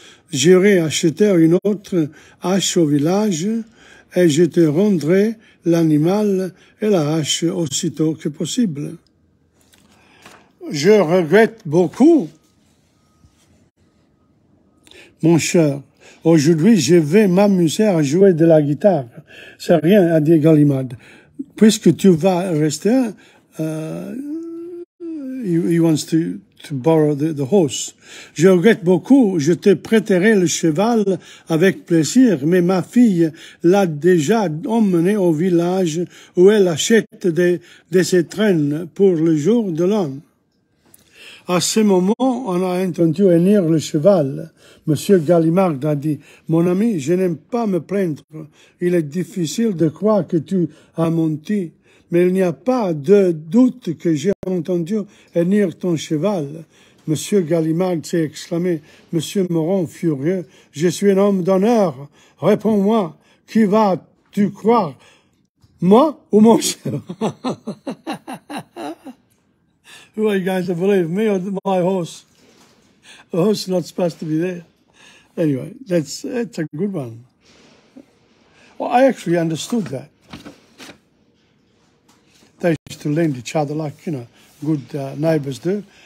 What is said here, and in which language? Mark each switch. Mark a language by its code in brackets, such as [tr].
[fr] J'irai acheter une autre hache au village et je te rendrai l'animal et la hache aussitôt que possible. »« Je regrette beaucoup. » Mon cher, aujourd'hui, je vais m'amuser à jouer de la guitare. C'est rien, a dit Gallimard. Puisque tu vas rester, [en] he wants to borrow the horse. [fr] Je regrette beaucoup, je te prêterai le cheval avec plaisir, mais ma fille l'a déjà emmené au village où elle achète des étrennes pour le jour de l'an. À ce moment, on a entendu hennir le cheval. Monsieur Gallimard a dit, « Mon ami, je n'aime pas me plaindre. Il est difficile de croire que tu as menti, mais il n'y a pas de doute que j'ai entendu hennir ton cheval. » Monsieur Gallimard s'est exclamé, « Monsieur Morand furieux, je suis un homme d'honneur. Réponds-moi, qui vas-tu croire, moi ou mon cheval ?» [en] Who are you going to believe, me or my horse? The horse is not supposed to be there. Anyway, that's a good one. Well, I actually understood that. They used to lend each other like, you know, good neighbours do.